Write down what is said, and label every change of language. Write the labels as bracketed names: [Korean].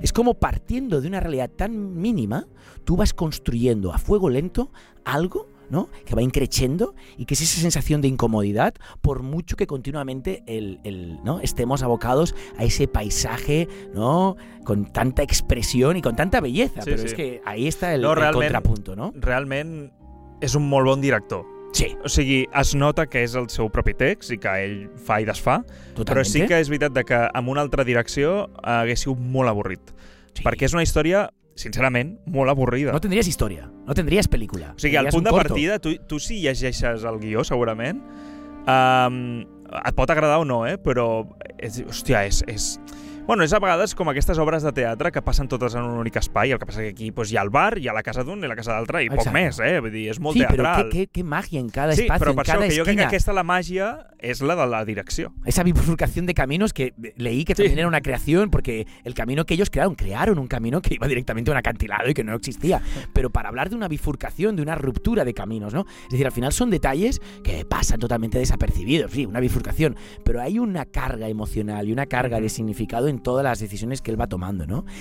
[Spanish] Es como partiendo de una realidad tan mínima, tú vas construyendo a fuego lento algo, ¿no? Que va increchendo y que es esa sensación de incomodidad, por mucho que continuamente ¿no? estemos abocados a ese paisaje, ¿no? Con tanta expresión y con tanta belleza. Sí, pero sí. es que ahí está el contrapunto, ¿no? [Catalan] Realment és un molt bon director. Sí. O sigui, es nota que és el seu propi text i que ell fa i desfa. [Spanish] Totalmente. [Catalan] Però sí que és veritat que amb una altra direcció hagués sigut molt avorrit. Sí. Perquè és una història... Sincerament, molt avorrida. No tindries història, no tindries pel·lícula. O sigui, al punt de partida, tu sí llegeixes el guió, segurament. Et pot agradar o no, però... Hòstia, és... Bueno, és a vegades com aquestes obres de teatre que passen totes en un únic espai. El que passa és que aquí pues, hi ha el bar, hi ha la casa d'un i la casa d'altre, i poc més, Vull dir, és molt sí, teatral. Sí, però què màgia en cada espai, en cada esquina. Sí, però per això, que jo crec que aquesta, la màgia, és la de la direcció. [Spanish] Esa bifurcación de caminos que leí que también era una creación, porque el camino que ellos crearon un camino que iba directamente a un acantilado y que no existía. Pero para hablar de una bifurcación, de una ruptura de caminos, ¿no? Es decir, al final son detalles que pasan totalmente desapercibidos, sí, una bifurcación. Pero hay una carga emocional y una carga de significado en todas las decisiones que él va tomando, ¿no?